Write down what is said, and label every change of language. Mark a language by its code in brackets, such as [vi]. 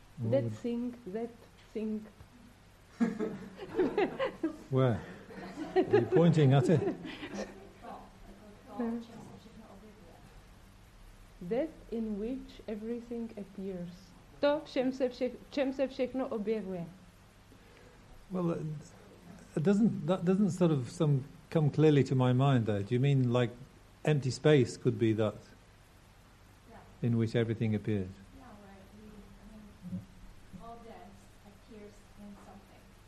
[en] Dead thing, dead thing. Where? Are you pointing at it? That in which everything appears. [cs] To, v čem se všechno objevuje. [en] Well, that doesn't come clearly to my mind there. Do you mean like empty space could be that in which everything appears? Yeah, right. I mean, all that appears in something.